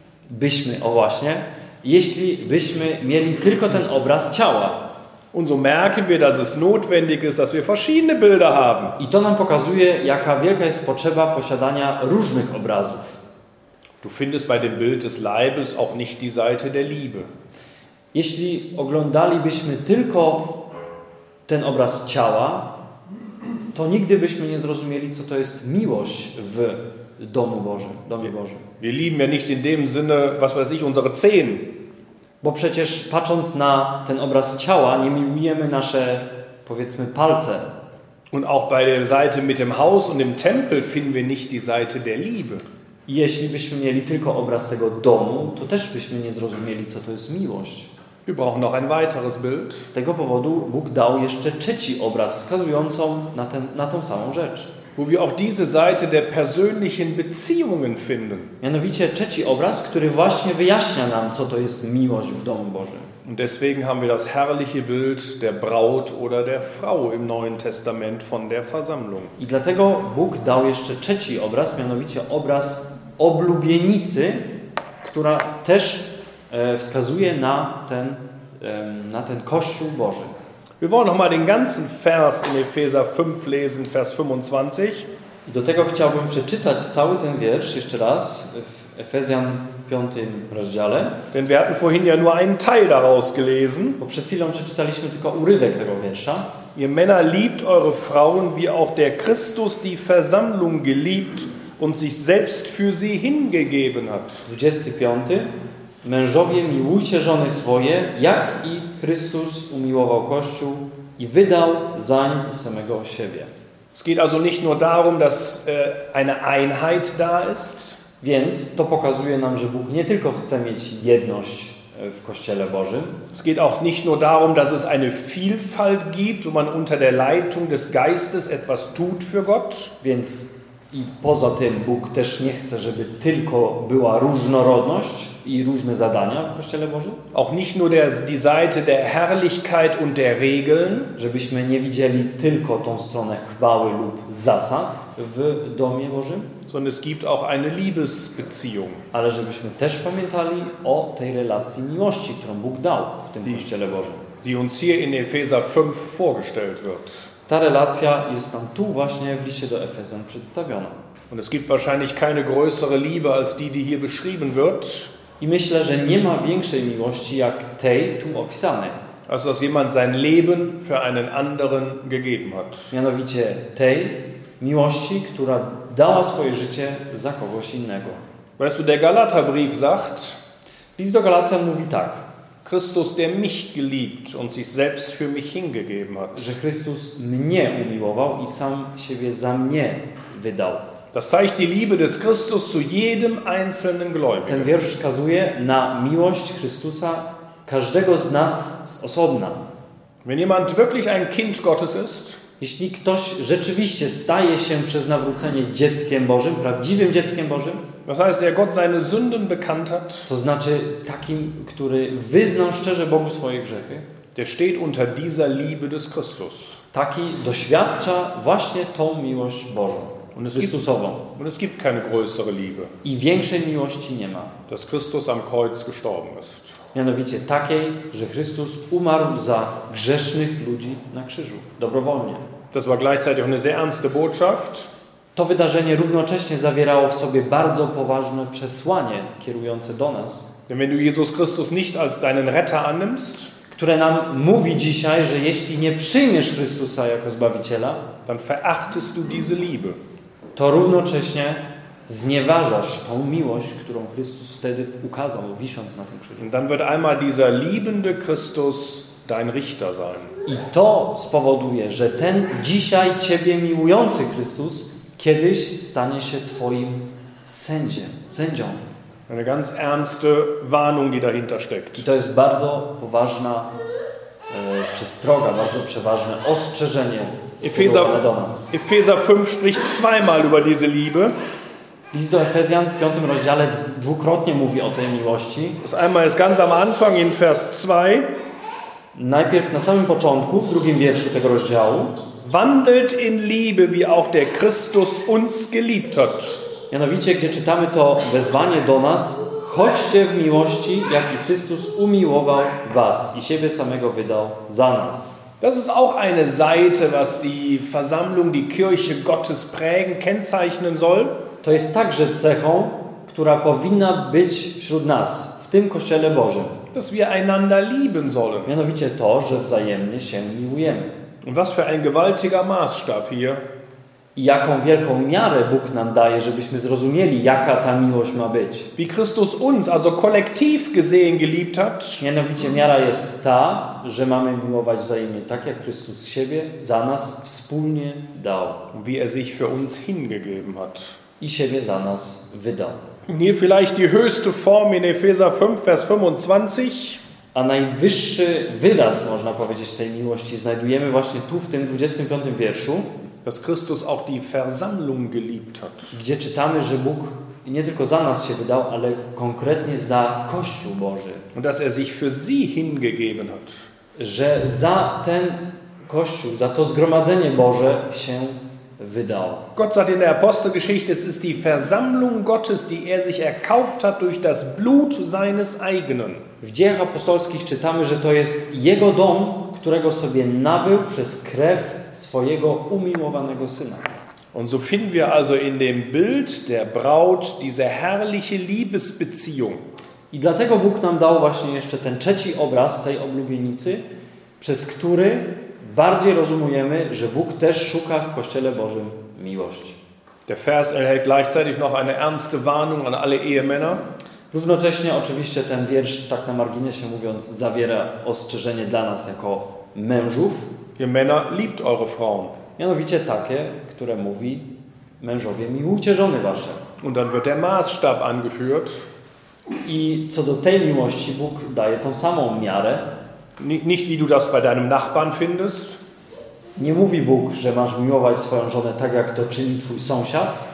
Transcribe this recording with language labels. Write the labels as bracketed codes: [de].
[pl] Byśmy, o właśnie, jeśli byśmy mieli tylko ten obraz ciała. [de] Und so merken wir, dass es notwendig ist, dass wir verschiedene Bilder haben. [pl] I to nam pokazuje, jaka wielka jest potrzeba posiadania różnych obrazów. [de] Du findest bei dem Bild des Leibes auch nicht die Seite der Liebe. [pl] Jeśli oglądalibyśmy tylko ten obraz ciała, to nigdy byśmy nie zrozumieli, co to jest miłość w domu Bożym, domie Bożym. [de] Wir lieben ja nicht in dem Sinne, was weiß ich, unsere Zehen. [pl] Bo przecież patrząc na ten obraz ciała, nie miłujemy nasze, powiedzmy, palce. [de] Und auch bei der Seite mit dem Haus und dem Tempel finden wir nicht die Seite der Liebe. [pl] Jeśli byśmy mieli tylko obraz tego domu, to też byśmy nie zrozumieli, co to jest miłość. [de] Wir brauchen noch ein weiteres Bild. [pl] Z tego powodu Bóg dał jeszcze trzeci obraz, wskazującą na tą samą rzecz. [de] Wo wir auch diese Seite der persönlichen Beziehungen finden. [pl] Mianowicie trzeci obraz, który właśnie wyjaśnia nam, co to jest miłość w domu Bożym. [de] Und deswegen haben wir das herrliche Bild der Braut oder der Frau im Neuen Testament von der Versammlung. [pl] I dlatego Bóg dał jeszcze trzeci obraz, mianowicie obraz oblubienicy, która też wskazuje na ten Kościół Boży. [de] Wir wollen noch mal den ganzen Vers in Epheser 5 lesen, Vers 25. [pl] I do tego chciałbym przeczytać cały ten wiersz jeszcze raz w Efezjan 5 rozdziale. [de] Denn wir hatten vorhin ja nur einen Teil daraus gelesen. [pl] Bo przed chwilą przeczytaliśmy tylko urywek tego wiersza. [de] Ihr Männer liebt eure Frauen, wie auch der Christus die Versammlung geliebt und sich selbst für sie hingegeben hat. 25. [pl] Mężowie, miłujcie żony swoje, jak i Chrystus umiłował Kościół i wydał zań samego siebie. [de] Es geht also nicht nur darum, dass eine Einheit da ist. [pl] Więc to pokazuje nam, że Bóg nie tylko chce mieć jedność w Kościele Bożym. [de] Es geht auch nicht nur darum, dass es eine Vielfalt gibt, wo man unter der Leitung des Geistes etwas tut für Gott. [pl] Więc i poza tym Bóg też nie chce, żeby tylko była różnorodność i różne zadania w Kościele Bożym. [de] Auch nicht nur die Seite der Herrlichkeit und der Regeln. [pl] Żebyśmy nie widzieli tylko tą stronę chwały lub zasad w Domie Bożym. [de] Sondern es gibt auch eine Liebesbeziehung. [pl] Ale żebyśmy też pamiętali o tej relacji miłości, którą Bóg dał w tym Kościele Bożym. [de] Die uns hier in Epheser 5 vorgestellt wird. [pl] Ta relacja jest nam tu właśnie w liście do Efezjan przedstawiona. [de] Und es gibt wahrscheinlich keine größere Liebe als die hier beschrieben wird. [pl] I myślę, że nie ma większej miłości jak tej tu opisanej. [de] Als dass jemand sein Leben für einen anderen gegeben hat. [pl] Mianowicie tej miłości, która dała swoje życie za kogoś innego. [de] Weißt du, der Galaterbrief sagt, [pl] List do Galacjan mówi tak. [de] Christus, der mich geliebt und sich selbst für mich hingegeben hat. [pl] Że Chrystus mnie umiłował i sam siebie za mnie wydał. [de] Das zeigt die Liebe des Christus zu jedem einzelnen Gläubigen. [pl] Ten wiersz wskazuje na miłość Chrystusa każdego z nas z osobna. [de] Wenn jemand wirklich ein Kind Gottes ist, [pl] jeśli ktoś rzeczywiście staje się przez nawrócenie dzieckiem Bożym, prawdziwym dzieckiem Bożym, [de] das heißt, der Gott seine Sünden bekannt hat. [pl] To znaczy takim, który wyznał szczerze Bogu swoje grzechy. [de] Der steht unter dieser Liebe des Christus. [pl] Taki doświadcza właśnie tą miłość Bożą, Chrystusową. [de] Und es gibt keine größere Liebe. [pl] I większej miłości nie ma. [de] Dass Christus am Kreuz gestorben ist. [pl] Mianowicie takiej, że Chrystus umarł za grzesznych ludzi na krzyżu, dobrowolnie. [de] Das war gleichzeitig auch eine sehr ernste Botschaft. [pl] To wydarzenie równocześnie zawierało w sobie bardzo poważne przesłanie kierujące do nas. [de] Wenn du Jesus Christus nicht als deinen Retter annimmst, [pl] które nam mówi dzisiaj, że jeśli nie przyjmiesz Chrystusa jako Zbawiciela, [de] dann verachtest du diese Liebe. [pl] To równocześnie znieważasz tą miłość, którą Chrystus wtedy ukazał, wisząc na tym krzyżu. [de] Und dann wird einmal dieser liebende Christus dein Richter sein. [pl] I to spowoduje, że ten dzisiaj ciebie miłujący Chrystus kiedyś stanie się twoim sędzią. [de] Eine ganz ernste Warnung, die dahinter steckt. [pl] I to jest bardzo poważna przestroga, bardzo przeważne ostrzeżenie do nas. [de] Efezjan 5 spricht zweimal über diese Liebe. [pl] List do Efezjan w 5 rozdziale dwukrotnie mówi o tej miłości. [de] Das einmal ist ganz am Anfang in Vers 2. [pl] Najpierw na samym początku, w drugim wierszu tego rozdziału. [de] Wandelt in Liebe, wie auch der Christus uns geliebt hat. [pl] Mianowicie, gdzie czytamy to wezwanie do nas: chodźcie w miłości, jak i Chrystus umiłował was i siebie samego wydał za nas. [de] Das ist auch eine Seite, was die Versammlung, die Kirche Gottes prägen, kennzeichnen soll. [pl] To jest także cechą, która powinna być wśród nas, w tym Kościele Bożym. [de] Dass wir einander lieben sollen. [pl] Mianowicie to, że wzajemnie się miłujemy. [de] Und was für ein gewaltiger Maßstab hier. [pl] I jaką wielką miarę Bóg nam daje, żebyśmy zrozumieli, jaka ta miłość ma być. [de] Wie Christus uns, also kollektiv gesehen, geliebt hat. [pl] Mianowicie miara jest ta, że mamy miłować wzajemnie, tak jak Chrystus siebie za nas wspólnie dał. [de] Wie er sich für uns hingegeben hat. [pl] I siebie za nas wydał. [de] Nie vielleicht die höchste Form in Epheser 5, Vers 25. [pl] A najwyższy wyraz, można powiedzieć, tej miłości znajdujemy właśnie tu, w tym 25 wierszu. [de] Dass Christus auch die Versammlung geliebt hat. [pl] Gdzie czytamy, że Bóg nie tylko za nas się wydał, ale konkretnie za Kościół Boży. [de] Und dass er sich für sie hingegeben hat. [pl] Że za ten Kościół, za to zgromadzenie Boże się wydał. [de] Gott sagt in der Apostelgeschichte, es ist die Versammlung Gottes, die er sich erkauft hat durch das Blut seines eigenen. [pl] W Dziejach Apostolskich czytamy, że to jest jego dom, którego sobie nabył przez krew swojego umiłowanego syna. [de] Und so finden wir also in dem Bild der Braut diese herrliche Liebesbeziehung. [pl] I dlatego Bóg nam dał właśnie jeszcze ten trzeci obraz tej oblubienicy, przez który bardziej rozumiemy, że Bóg też szuka w Kościele Bożym miłości. [de] Der Vers enthält gleichzeitig noch eine ernste Warnung an alle Ehemänner. [pl] Równocześnie oczywiście ten wiersz, tak na marginesie mówiąc, zawiera ostrzeżenie dla nas jako mężów. [de] Ihr Männer, liebt eure Frauen. [pl] Mianowicie takie, które mówi: mężowie, miłujcie żony wasze. [de] Und dann wird der Maßstab angeführt. [pl] I co do tej miłości Bóg daje tą samą miarę. [de] Nicht wie du das bei deinem Nachbarn findest. [pl] Nie mówi Bóg, że masz miłować swoją żonę tak, jak to czyni twój sąsiad.